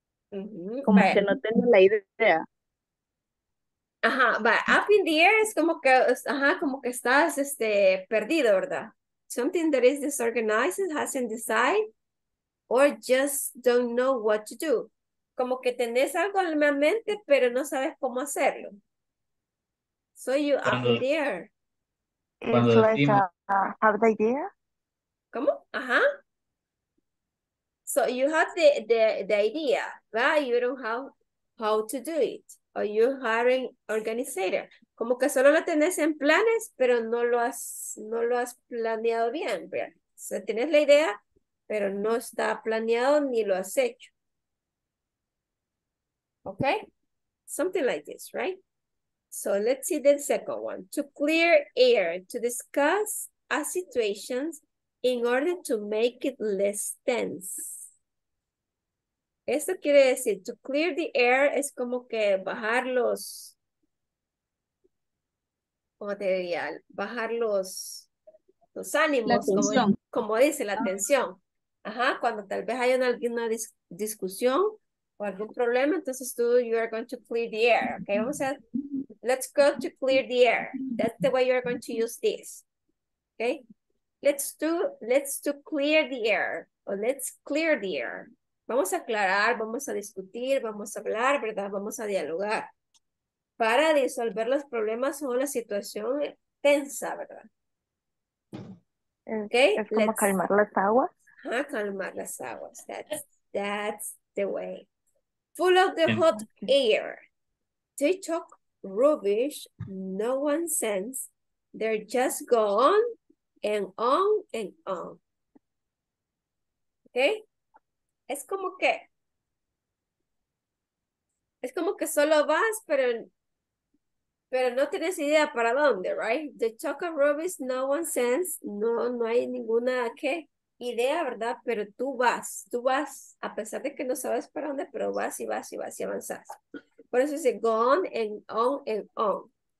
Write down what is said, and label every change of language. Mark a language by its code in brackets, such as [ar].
[es] Como que no tengo la idea. Ajá, [en] but up in the air [es] es como que, ajá, como que estás perdido, ¿verdad? [en] Something that is disorganized, hasn't decided, or just don't know what to do. [es] Como que tenés algo en la mente, pero no sabes cómo hacerlo. [en] So you up in the air. It's like, have the idea? [es] ¿Cómo? Ajá. [en] So you have the idea, but you don't have how to do it. or you hiring organizer. [es] Como que solo lo tenés en planes, pero no lo has planeado bien. O sea, tienes la idea, pero no está planeado ni lo has hecho. [en] Okay? Something like this, right? So let's see the second one. To clear air, to discuss a situation in order to make it less tense. [es] Esto quiere decir, [en] to clear the air [es] es como que bajar los, ¿cómo te diría? Bajar los ánimos, como dice, la tensión. Ajá, cuando tal vez hay alguna discusión o algún problema, entonces tú, [en] you are going to clear the air, [es] ¿ok? Vamos a, [en] let's go to clear the air. That's the way you are going to use this, ¿ok? Let's clear the air, or let's clear the air. [es] Vamos a aclarar, vamos a discutir, vamos a hablar, ¿verdad? Vamos a dialogar para disolver los problemas o la situación tensa, ¿verdad? Okay, es como calmar las aguas. Ah, calmar las aguas. [en] That's the way. Full of the hot air. They talk rubbish, no one sense. They just go on and on and on. Okay? [es] Es como que solo vas, pero no tienes idea para dónde, right? [en] The talk of rubbish, no one sense. [es] No hay ninguna qué idea, ¿verdad? Pero tú vas, a pesar de que no sabes para dónde, pero vas y vas y vas y avanzas. Por eso dice, [en] go on and on and on.